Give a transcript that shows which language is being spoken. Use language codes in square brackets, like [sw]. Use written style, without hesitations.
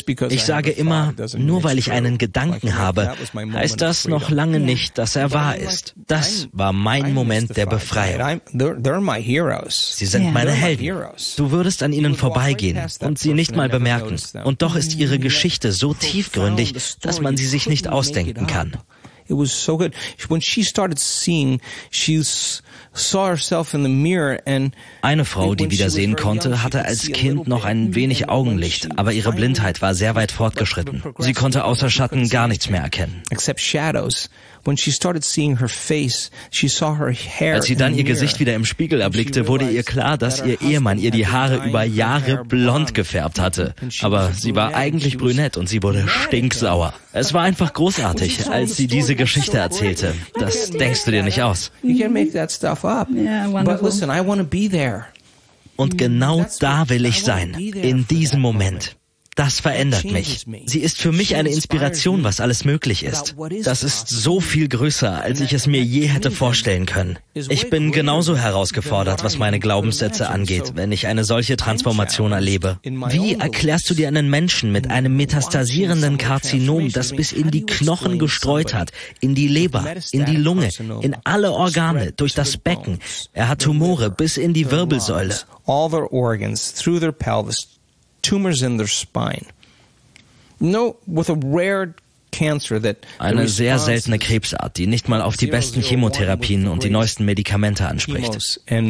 [de] Ich sage immer, nur weil ich einen Gedanken habe, heißt das noch lange nicht, dass er wahr ist. Das war mein Moment der Befreiung. Sie sind meine Helden. Du würdest an ihnen vorbeigehen und sie nicht mal bemerken. Und doch ist ihre Geschichte so tiefgründig, dass man sie sich nicht ausdenken kann. [en] It was so good. When she started seeing, she saw herself in the mirror and [de] eine Frau, die wieder sehen konnte, hatte als Kind noch ein wenig Augenlicht, aber ihre Blindheit war sehr weit fortgeschritten. Sie konnte außer Schatten gar nichts mehr erkennen. [en] Except shadows. When she started seeing her face, she saw her hair. [de] Als sie dann ihr Gesicht wieder im Spiegel erblickte, wurde ihr klar, dass ihr Ehemann ihr die Haare über Jahre blond gefärbt hatte. Aber sie war eigentlich brünett und sie wurde stinksauer. Es war einfach großartig, als sie diese Geschichte erzählte. Das denkst du dir nicht aus. [en] You can't make that stuff up. But listen, I want to be there. [de] Und genau da will ich sein, in diesem Moment. Das verändert mich. Sie ist für mich eine Inspiration, was alles möglich ist. Das ist so viel größer, als ich es mir je hätte vorstellen können. Ich bin genauso herausgefordert, was meine Glaubenssätze angeht, wenn ich eine solche Transformation erlebe. Wie erklärst du dir einen Menschen mit einem metastasierenden Karzinom, das bis in die Knochen gestreut hat, in die Leber, in die Lunge, in alle Organe, durch das Becken? Er hat Tumore bis in die Wirbelsäule. [en] All their organs through their pelvis. Tumors in their spine. No, with a rare cancer that [de] eine sehr seltene Krebsart, die nicht mal auf die besten Chemotherapien und die neuesten Medikamente anspricht.